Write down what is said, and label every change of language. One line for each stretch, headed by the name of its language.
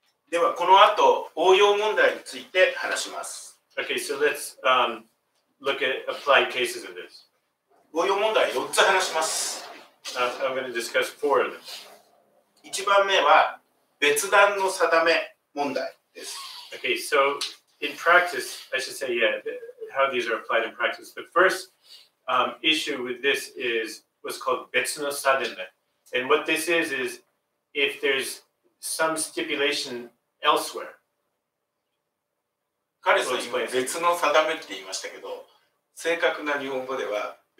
Japanese: ではこの後応用問題について話します。
English: Okay, so let's look at applied cases of this.
Japanese: 応用問題4つ話します。
English: I'm going to discuss four of them.
Japanese: 1番目は別段の定め問題です。
English: Okay, so in practice, I should say, yeah, how these are applied in practice. The first issue with this is what's called 別の定め。 And what this is if there's some stipulation elsewhere.
Japanese: 彼さん今別の定めって言いましたけど、正確な日本語では